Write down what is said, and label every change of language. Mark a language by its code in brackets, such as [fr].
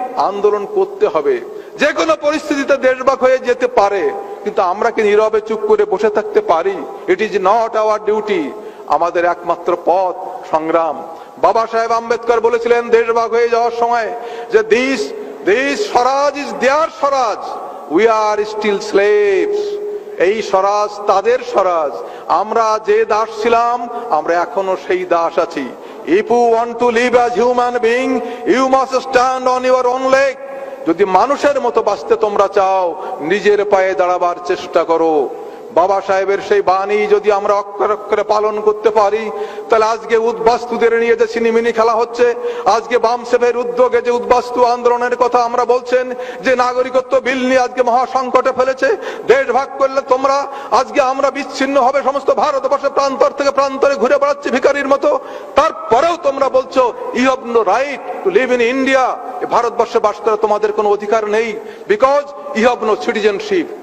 [bn] আন্দোলন করতে হবে, যে কোনো পরিস্থিতিতে দেশভাগ হয়ে যেতে পারে, কিন্তু আমরা কি নীরবে চুপ করে বসে থাকতে পারি? [en] It is not our duty. [bn] আমাদের একমাত্র পথ সংগ্রাম। বাবা সাহেব আম্বেদকর বলেছিলেন দেশভাগ হয়ে যাওয়ার সময় যে this [en] This Swaraj is their Swaraj. We are still slaves. [bn] এই স্বরাজ তাদের স্বরাজ, আমরা যে দাস ছিলাম আমরা এখনো সেই দাস আছি। [en] If you want to live as human being, you must stand on your own leg. [bn] যদি মানুষের মতো বাঁচতে তোমরা চাও, নিজের পায়ে দাঁড়াবার চেষ্টা করো। বাবা সাহেবের সেই বাণী যদি আমরা অক্ষরে অক্ষরে পালন করতে পারি, তাহলে আজকে উদ্বাস্তুদের নিয়ে যে সিনিমিনি খেলা হচ্ছে, আজকে বামসেবের উদ্যোগে যে উদ্বাস্তু আন্দোলনের কথা আমরা বলছেন, যে নাগরিকত্ব বিল নিয়ে আজকে মহাসংকটে ফেলেছে, দেশ ভাগ করলে তোমরা, আজকে আমরা বিচ্ছিন্ন হবে, সমস্ত ভারতবর্ষের প্রান্তর থেকে প্রান্তরে ঘুরে বেড়াচ্ছি ভিখারির মতো, তারপরেও তোমরা বলছো [en] you have no right to live in India, [bn] ভারতবর্ষে বাস করার তোমাদের কোনো অধিকার নেই, [en] Because you have no citizenship.